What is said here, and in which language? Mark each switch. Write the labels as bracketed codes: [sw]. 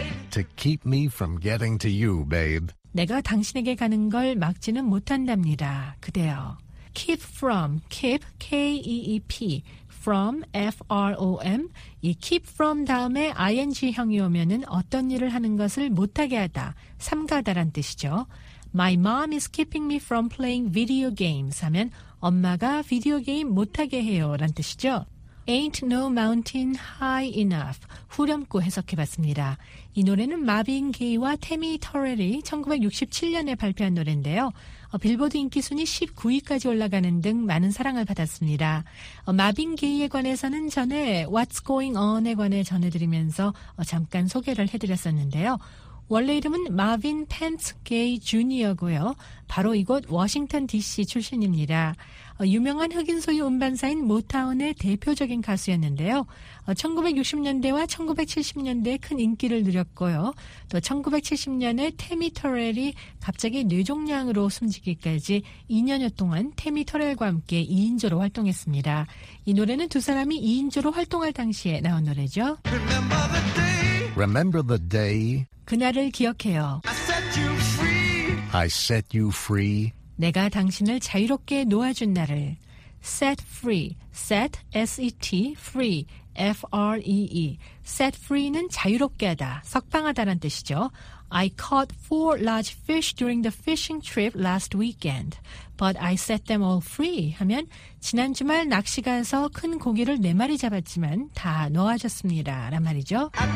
[en] To keep me from getting to you, babe. [ko] 내가 당신에게 가는 걸 막지는 못한답니다. 그대여. [en] Keep from, keep, K-E-E-P, from, F-R-O-M. [ko] 이 keep from 다음에 ing형이 오면은 어떤 일을 하는 것을 못하게 하다, 삼가다란 뜻이죠. [en] My mom is keeping me from playing video games [ko] 하면 엄마가 비디오 게임 못하게 해요란 뜻이죠. [en] Ain't no mountain high enough. [ko] 후렴구 해석해봤습니다. 이 노래는 마빈 게이와 태미 터렐이 1967년에 발표한 노래인데요. 빌보드 인기순위 19위까지 올라가는 등 많은 사랑을 받았습니다. 마빈 게이에 관해서는 전에 What's Going On에 관해 전해드리면서 잠깐 소개를 해드렸었는데요. 원래 이름은 마빈 펜츠 게이 주니어고요. 바로 이곳 워싱턴 DC 출신입니다. 유명한 흑인 소유 음반사인 모타운의 대표적인 가수였는데요. 1960년대와 1970년대에 큰 인기를 누렸고요. 또 1970년에 태미 터렐이 갑자기 뇌종양으로 숨지기까지 2년여 동안 태미 터렐과 함께 2인조로 활동했습니다. 이 노래는 두 사람이 2인조로 활동할 당시에 나온 노래죠. [en] Remember the day. Remember the day. [ko] 그날을 기억해요. [en] I set you free. I set you free. [ko] 내가 당신을 자유롭게 놓아준 날을 [en] set free, set, S-E-T, free, F-R-E-E. [ko] set free는 자유롭게 하다, 석방하다란 뜻이죠. [en] I caught four large fish during the fishing trip last weekend, but I set them all free [ko] 하면 지난 주말 낚시 가서 큰 고기를 네 마리 잡았지만 다 놓아줬습니다, 라는 말이죠.